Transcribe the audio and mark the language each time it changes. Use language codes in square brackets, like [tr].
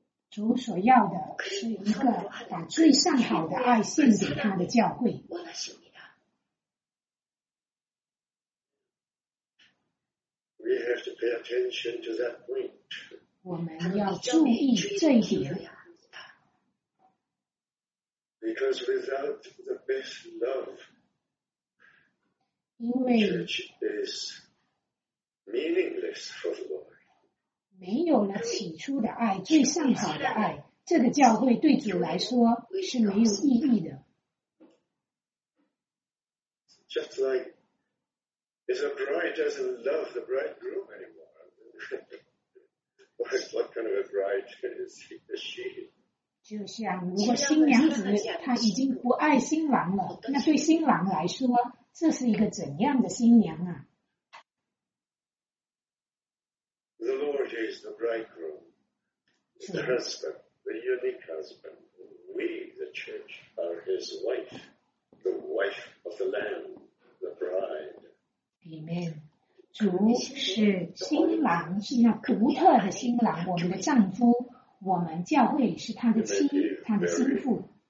[zh] 主所要的是一个把最上好的爱献给他的教会。 [en] We have to pay attention to that point. [zh] 我们要注意这一点。 [en] Because without the best love, church is meaningless for the Lord. [zh] 没有了起初的爱，最上好的爱，这个教会对主来说是没有意义的。 [en] Just like is a bride doesn't love the bridegroom anymore. What kind of a bride is he or she? [zh] 就像如果新娘子她已经不爱新郎了，那对新郎来说，这是一个怎样的新娘啊？ [en] The Lord is the bridegroom, the husband, the unique husband. We, the church, are his wife, the wife of the Lamb, the bride. [zh] 里面，主是新郎，是那独特的新郎，我们的丈夫，我们教会是他的妻，他的心腹。